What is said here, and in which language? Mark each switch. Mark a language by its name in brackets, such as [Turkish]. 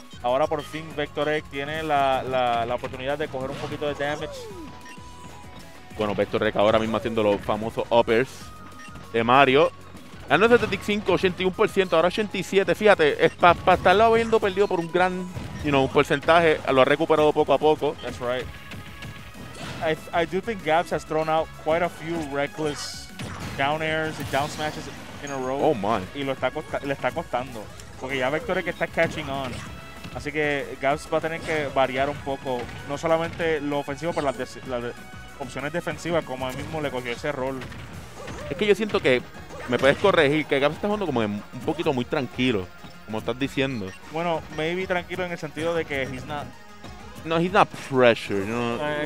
[Spanish] Ahora por fin Vector X tiene la oportunidad de coger un poquito de damage. Bueno, Vector X ahora mismo haciendo los famosos uppers de Mario. Ya no es 75, 81%, ahora 87%. Fíjate, para estarlo habiendo perdido por un gran, you know, un porcentaje, lo ha recuperado poco a poco. [English] That's right. I do think Gaps has thrown out quite a few reckless down airs and down smashes in a row. Oh, man. [Spanish] Y le está costando. Porque ya Vector X está [English] catching on. [Spanish] Así que Gaps va a tener que variar un poco. No solamente lo ofensivo, pero las opciones defensivas, como a él mismo le cogió ese rol. Es que yo siento que, me puedes corregir, que Gaps está jugando como un poquito muy tranquilo, como estás diciendo. Bueno, maybe tranquilo en el sentido de que [English] he's not... No, he's not pressured, you know.